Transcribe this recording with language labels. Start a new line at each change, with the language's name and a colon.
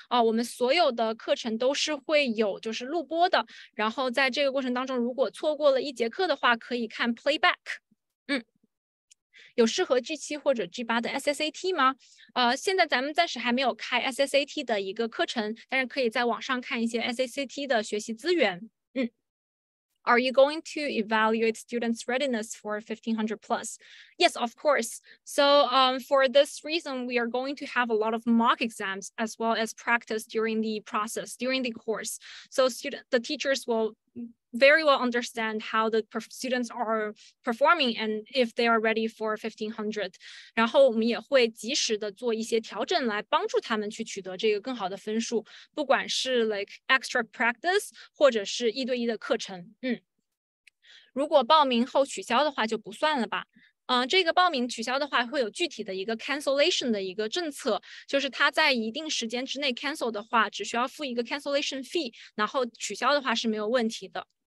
Chinese: 我们所有的课程都是会有就是录播的，然后在这个过程当中，如果错过了一节课的话，可以看 playback。有适合 G7 或者 G8 的 SSAT 吗？现在咱们暂时还没有开 SSAT 的一个课程，但是可以在网上看一些 SSAT 的学习资源。
English: Are you going to evaluate students' readiness for 1500 plus? Yes, of course. So for this reason, we are going to have a lot of mock exams as well as practice during the process, during the course. So the teachers will very well understand how the students are performing and if they are ready for 1500.
Chinese: 然后我们也会及时的做一些调整来帮助他们去取得这个更好的分数，不管是
English: like extra practice
Chinese: 或者是一对一的课程。如果报名后取消的话就不算了吧。这个报名取消的话会有具体的一个 cancellation 的一个政策，就是他在一定时间之内 cancel 的话只需要付一个 cancellation fee， 然后取消的话是没有问题的。